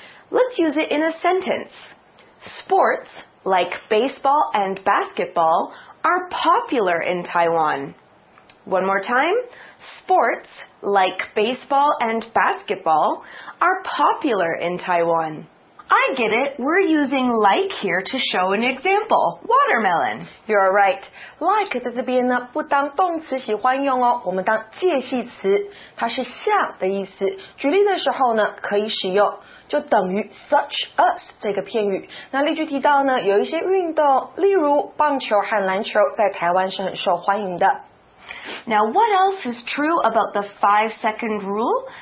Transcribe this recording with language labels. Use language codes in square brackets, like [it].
[en] Let's use it in a sentence. Sports, like baseball and basketball, are popular in Taiwan. One more time. Sports, like baseball and basketball, are popular in Taiwan. I get it. We're using like here to show an example. Watermelon. You're right. [zh] Like 在这边呢，不当动词喜欢用哦，我们当介系词，它是像的意思。举例的时候呢，可以使用，就等于 such as 这个片语。那例句提到呢，有一些运动，例如棒球和篮球，在台湾是很受欢迎的。 [en] Now, what else is true about the 5-second rule?